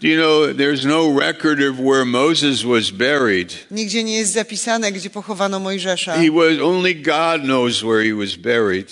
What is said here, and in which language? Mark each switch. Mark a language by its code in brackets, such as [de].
[en] Do you know there's no record of where Moses was buried? [pl] Nigdzie nie jest zapisane, gdzie pochowano Mojżesza. [en] He was only God knows where he was buried.